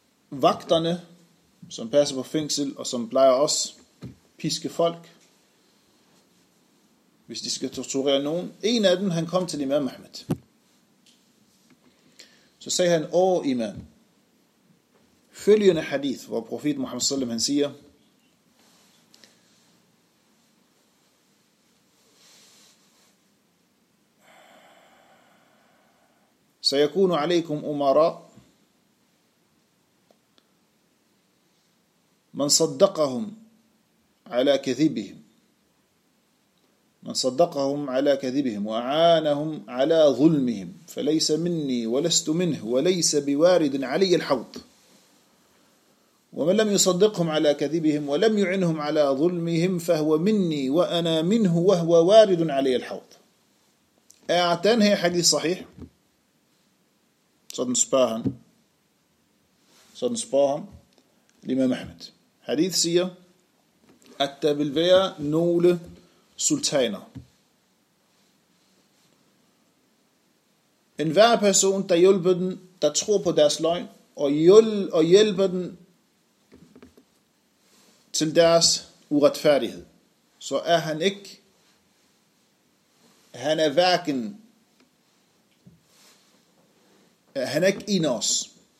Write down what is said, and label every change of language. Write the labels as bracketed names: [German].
[Danish] Vagterne, som passer på fængsel, og som plejer også piske folk, hvis de skal torturere nogen. En af dem, han kom til imam Ahmad. Så sagde han, åh imam, følgende hadith, hvor profet Muhammad sallam, han siger, [Arabic] sayakunu alaykum umara, من صدقهم على كذبهم من صدقهم على كذبهم وأعانهم على ظلمهم فليس مني ولست منه وليس بوارد علي الحوض ومن لم يصدقهم على كذبهم ولم يعنهم على ظلمهم فهو مني وأنا منه وهو وارد علي الحوض أعتن هي حديث صحيح صدن سباهم الإمام أحمد. [Danish] Hadith siger, at der vil være nogle sultaner. En hver person, der hjælper den, der tror på deres løgn, og hjælper den til deres uretfærdighed, så er han ikke, han er ikke en af os.